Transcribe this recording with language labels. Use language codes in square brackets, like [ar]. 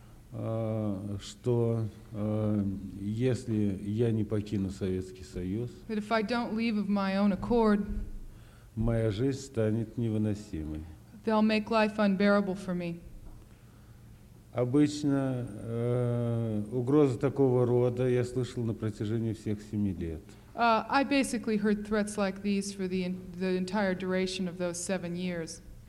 [ru] Что если я не покину Советский Союз, [en] that if I don't leave of my own accord, [ru] моя жизнь станет невыносимой. [en] They'll make life unbearable for me. [ru] Обычно угрозы такого рода я слышал на протяжении всех 7 лет. [en] I basically heard threats like these for the entire duration of those 7 years.